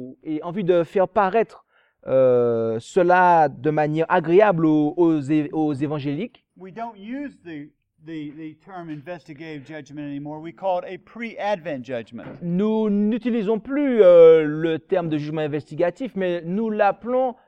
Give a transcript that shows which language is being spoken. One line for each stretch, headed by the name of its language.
French: Et en vue de faire paraître cela de manière agréable aux évangéliques.
English: We don't use the term investigative judgment anymore. We call it a pre-Advent judgment.
French: Nous n'utilisons plus le terme de jugement investigatif, mais nous l'appelons